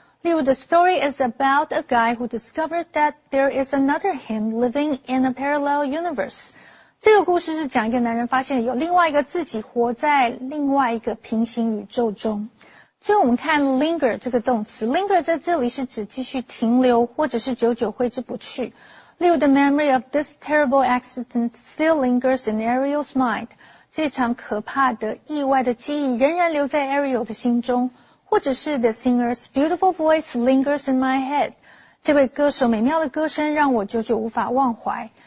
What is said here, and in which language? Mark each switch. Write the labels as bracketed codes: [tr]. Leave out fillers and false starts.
[zh] 例如 [en] The story is about a guy who discovered that there is another him living in a parallel universe. [zh] 这个故事是讲一个男人发现有另外一个自己活在另外一个平行宇宙中。最后我们看 linger 这个动词， linger 在这里是指继续停留或者是久久挥之不去。例如 [en] The memory of this terrible accident still lingers in Ariel's mind. [zh] 这场可怕的意外的记忆仍然留在 Ariel 的心中。或者是 [en] The singer's beautiful voice lingers in my head. [zh] 这位歌手美妙的歌声让我久久无法忘怀。